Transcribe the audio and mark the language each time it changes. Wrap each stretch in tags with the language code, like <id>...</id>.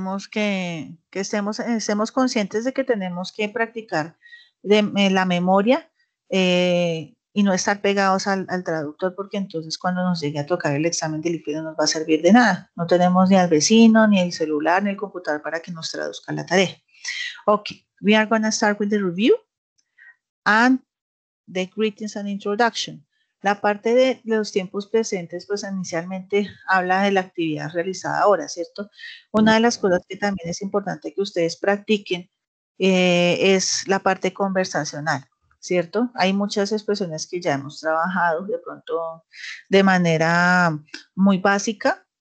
<es>Que estemos conscientes de que tenemos que practicar la memoria y no estar pegados al traductor, porque entonces cuando nos llegue a tocar el examen del ICFES no nos va a servir de nada. No tenemos ni al vecino, ni el celular, ni el computador para que nos traduzca la tarea.</es> <en>Ok, we are going to start with the review and the greetings and introduction.</en> <es>La parte de los tiempos presentes, pues inicialmente habla de la actividad realizada ahora, ¿cierto? Una de las cosas que también es importante que ustedes practiquen es la parte conversacional, ¿cierto? Hay muchas expresiones que ya hemos trabajado de pronto de manera muy básica.</es>